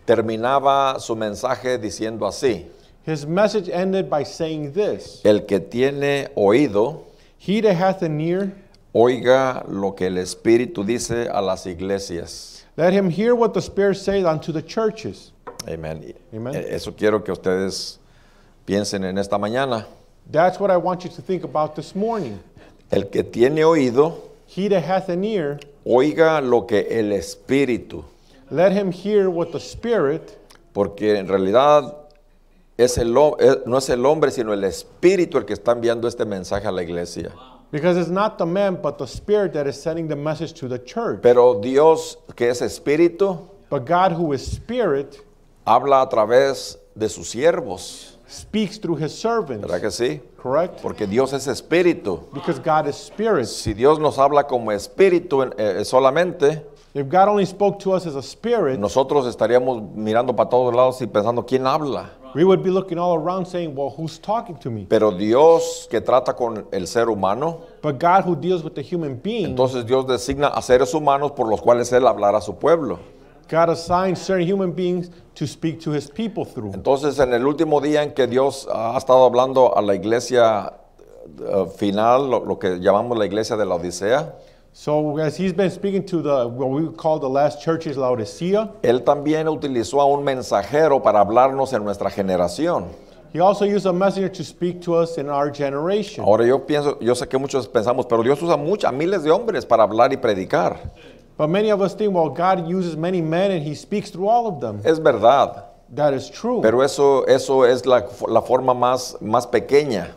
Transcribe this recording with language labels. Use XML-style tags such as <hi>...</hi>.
<es>terminaba su mensaje diciendo así.</es> <en>His message ended by saying this.</en> <es>El que tiene oído,</es> <en>he that hath an ear,</en> <es>oiga lo que el Espíritu dice a las iglesias.</es> <en>Let him hear what the Spirit saith unto the churches.</en> <es>Amen.</es> <en>Amen.</en> <es>Eso quiero que ustedes piensen en esta mañana.</es> <en>That's what I want you to think about this morning.</en> <es>El que tiene oído,</es> <en>he that hath an ear,</en> <es>oiga lo que el Espíritu.</es> <en>Let him hear what the Spirit.</en> <es>Porque en realidad no es el hombre, sino el Espíritu el que está enviando este mensaje a la iglesia.</es> <en>Because it's not the man, but the Spirit that is sending the message to the church.</en> <es>Pero Dios, que es Espíritu,</es> <en>but God, who is Spirit,</en> <es>habla a través de sus siervos.</es> <en>Speaks through his servants.</en> <es>¿Verdad que sí?</es> <en>Correct.</en> <es>Porque Dios es espíritu.</es> <en>Because God is spirit.</en> <es>Si Dios nos habla como espíritu solamente.</es> <en>If God only spoke to us as a spirit.</en> <es>Nosotros estaríamos mirando para todos lados y pensando quién habla.</es> <en>We would be looking all around saying, well, who's talking to me?</en> <es>Pero Dios que trata con el ser humano.</es> <en>But God who deals with the human being.</en> <es>Entonces Dios designa a seres humanos por los cuales él hablará a su pueblo.</es> <en>God assigned certain human beings to speak to his people through.</en> <es>Entonces, en el último día en que Dios ha estado hablando a la iglesia final, lo que llamamos la iglesia de la Odisea.</es> <en>So as he's been speaking to the what we would call the last churches, Laodicea.</en> <es>Él también utilizó a un mensajero para hablarnos en nuestra generación.</es> <en>He also used a messenger to speak to us in our generation.</en> <es>Ahora yo pienso, yo sé que muchos pensamos, pero Dios usa mucho, a miles de hombres para hablar y predicar.</es> <en>But many of us think, well, God uses many men and he speaks through all of them.</en> <es>Es verdad.</es> <en>That is true.</en> <es>Pero eso es la forma más pequeña.</es>